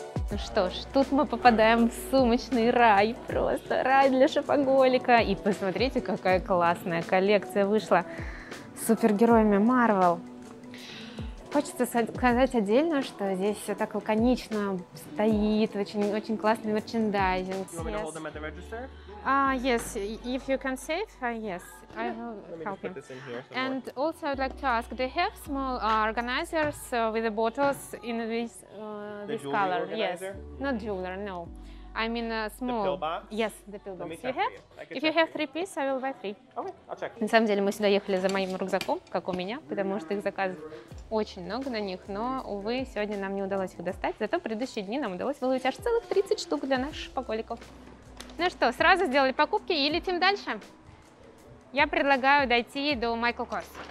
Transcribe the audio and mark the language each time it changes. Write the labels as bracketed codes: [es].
[ru] Ну что ж, тут мы попадаем в сумочный рай, просто рай для шопоголика. И посмотрите, какая классная коллекция вышла с супергероями Marvel. Хочется сказать отдельно, что здесь все так лаконично стоит, очень-очень классный мерчендайзинг. [en] You want me to hold them at the register? Yes, if you can save, yes, I will help you. And also I'd like to ask, they have small organizers with the bottles in this, this color? Organizer? Yes, not jeweler, no. I mean a small. The pillbox? Yes, the pillbox. You have? If you have three pieces, I will buy three. Okay, I'll check. [ru] На самом деле мы сюда ехали за моим рюкзаком, как у меня, потому что их заказов очень много на них, но, увы, сегодня нам не удалось их достать, зато в предыдущие дни нам удалось выловить аж целых 30 штук для наших шопоголиков. Ну что, сразу сделали покупки и летим дальше? Я предлагаю дойти до Michael Kors.